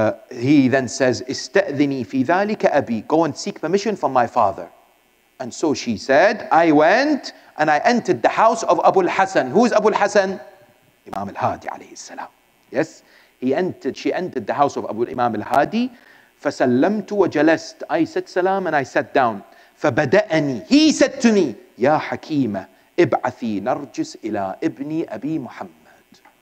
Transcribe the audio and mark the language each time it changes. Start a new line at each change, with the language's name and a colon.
English: He then says,
Arabic: اِسْتَأْذِنِي فِي ذَلِكَ أَبِي.
English: Go and seek permission from my father. And so she said, I went and I entered the house of Abu al-Hasan. Who is Abu al-Hasan? Imam al-Hadi alayhi salam. Yes. She entered the house of Abu Imam al-Hadi.
Arabic: فَسَلَّمْتُ وَجَلَسْتْ.
English: I said salam and I sat down.
Arabic: فَبَدَأَنِي.
English: He said to me,
Arabic: يَا حَكِيمَ إِبْعَثِي نَرْجِسْ إِلَىٰ إِبْنِي أَبِي مُحَمَّدْ.